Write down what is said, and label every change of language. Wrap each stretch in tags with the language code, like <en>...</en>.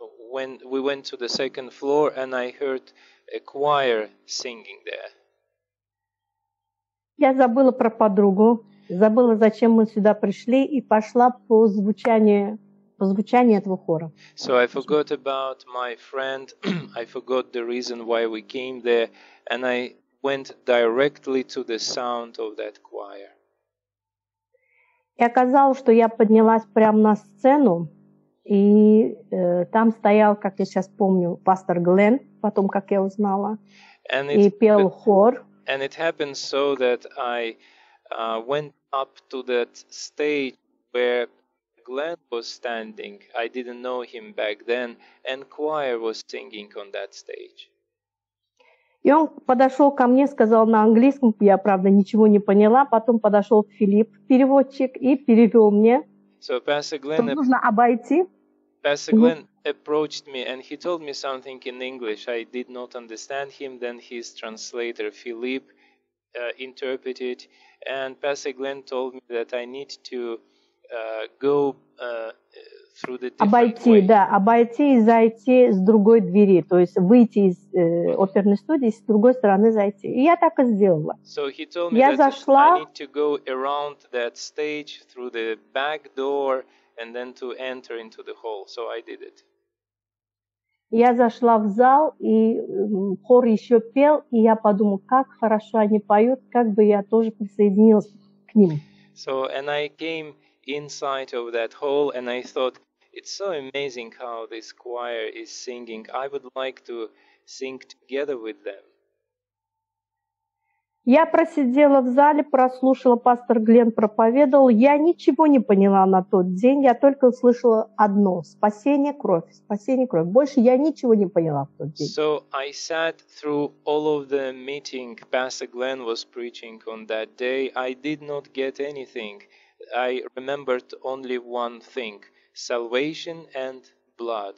<en>when we went to the second floor and I heard a choir singing there.</en> <ru>Я забыла про подругу, забыла, зачем мы сюда пришли, и пошла по звучанию этого хора.</ru> <en>So I forgot about my friend, I forgot the reason why we came there, and I went directly to the sound of that choir.</en> <ru>И оказалось, что я поднялась прямо на сцену, и там стоял, как я сейчас помню, пастор Глен, потом, как я узнала, и пел хор.</ru> <en>And it happened so that I went up to that stage where Glenn was standing. I didn't know him back then, and choir was singing on that stage.</en> <ru>И он подошел ко мне, сказал на английском, я, правда, ничего не поняла. Потом подошел Филипп, переводчик, и перевел мне,</ru> <en>so Pastor Glenn,</en> <ru>что нужно обойти.</ru> <en>Pastor Glenn approached me and he told me something in English. I did not understand him. Then his translator, Philip, interpreted. And Pastor Glenn told me that I need to go through the different way.</en> <ru>Да, обойти и зайти с другой двери. То есть выйти из оперной студии, с другой стороны зайти. И я так и сделала.</ru> <en>So he told me</en> <ru>я</ru> <en>that</en> <ru>зашла.</ru> <en>I need to go around that stage through the back door and then to enter into the hall. So I did it.</en> <ru>Я зашла в зал, и хор еще пел, и я подумала, как хорошо они поют, как бы я тоже присоединилась к ним.</ru> <en>So, and I came inside of that hall, and I thought, it's so amazing how this choir is singing. I would like to sing together with them.</en> <ru>Я просидела в зале, прослушала, пастор Глен проповедовал. Я ничего не поняла на тот день. Я только слышала одно: спасение, кровь, спасение, кровь. Больше я ничего не поняла в тот день.</ru> <en>So I sat through all of the meeting Pastor Glen was preaching on that day. I did not get anything. I remembered only one thing: salvation and blood.</en>